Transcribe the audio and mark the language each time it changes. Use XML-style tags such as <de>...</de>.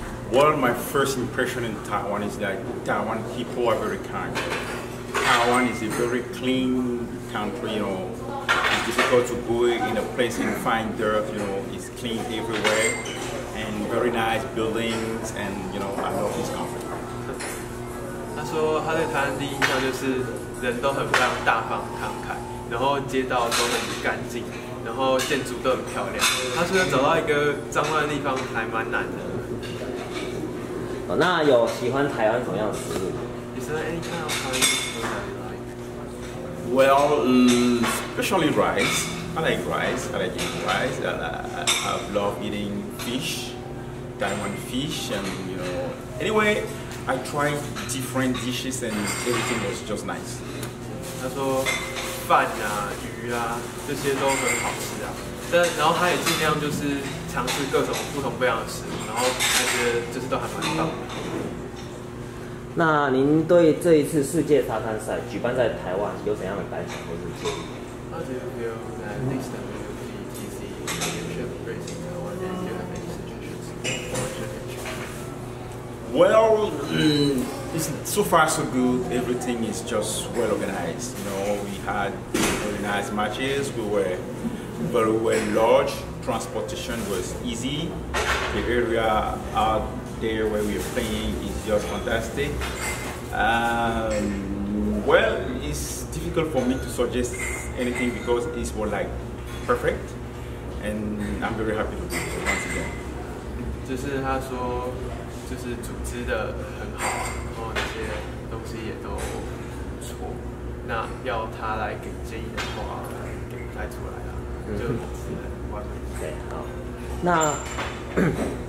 <en>Well, my first impression in Taiwan is that Taiwan people are very kind. Taiwan is a very clean country, you know. It's difficult to go in a place and find dirt, you know. It's clean everywhere and very nice buildings and, you know, I love this country.</en> <zh>他说他对台湾第一印象就是人都很非常大方慷慨，然后街道都很干净，然后建筑都很漂亮。他说要找到一个脏乱的地方还蛮难的。 Oh, 那有喜欢台湾什么样的食物？</zh> <en>Is there any kind of Taiwanese food that you like? Well, especially rice. I like rice. I like eating rice. I love eating fish, Taiwan fish, and you know. Anyway, I tried different dishes and everything was just nice. 他说饭啊、鱼啊这些都很好吃啊。但然后他也尽量就是尝试各种不同不一样的食物，然后那些就是都还蛮棒的。</en> <zh>那您对这一次世界沙滩赛举办在台湾有怎样的感想或是建议</zh> <en>？How do you feel that this WTTC championship race in Taiwan? Do you have any suggestions for the championship? Well, it's so far so good. Everything is just well organized. You know, we had very nice matches. We were very well large, transportation was easy. The area out there where we are playing is just fantastic. Well, it's difficult for me to suggest anything because it's more like perfect. And I'm very happy to be here once again.</en> <zh>就是他说，就是组织的很好，然后那些东西也都不错。那要他来给建议的话，给不太出来。嗯，对，好。</zh>